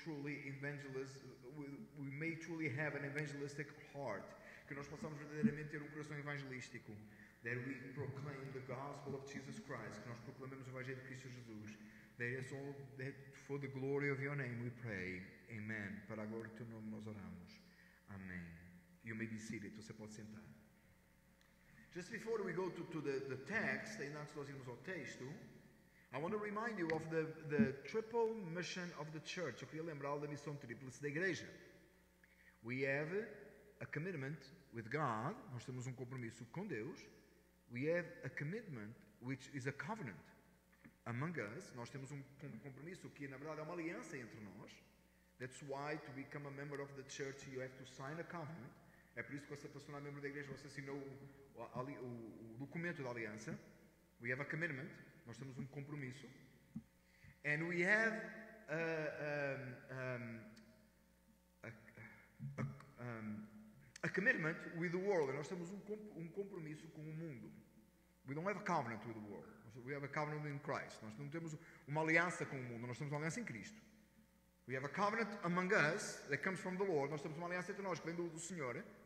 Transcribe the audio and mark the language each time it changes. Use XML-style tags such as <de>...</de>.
<en>We may truly have an evangelistic heart,</en> <pt>que nós possamos verdadeiramente ter um coração evangelístico.</pt> <en>That we proclaim the gospel of Jesus Christ,</en> <pt>que nós proclamemos o evangelho de Cristo Jesus.</pt> <en>That is all that for the glory of your name we pray. Amen.</en> <pt>Para a glória do teu nome nós oramos.</pt> <en>Amen. You may be seated.</en> <pt>Você pode sentar.</pt> <en>Just before we go to the text,</en> <pt>e antes de nós irmos ao texto,</pt> <en>I want to remind you of the triple mission of the church.</en> <pt>Eu queria lembrar da missão tríplice da igreja.</pt> <en>We have a commitment with God.</en> <pt>Nós temos um compromisso com Deus.</pt> <en>We have a commitment which is a covenant among us.</en> <pt>Nós temos um compromisso que, na verdade, é uma aliança entre nós.</pt> <en>That's why to become a member of the church you have to sign a covenant.</en> <pt>É por isso que você passou a ser membro da igreja, você assinou o documento da aliança.</pt> <en>We have a commitment.</en> <pt>Nós temos um compromisso.</pt> <en>And we have a commitment with the world.</en> <pt>Nós temos um compromisso com o mundo.</pt> <en>We don't have a covenant with the world. We have a covenant in Christ.</en> <pt>Nós não temos uma aliança com o mundo. Nós temos uma aliança em Cristo.</pt> <en>We have a covenant among us that comes from the Lord.</en> <pt>Nós temos uma aliança entre nós que vem do Senhor.</pt>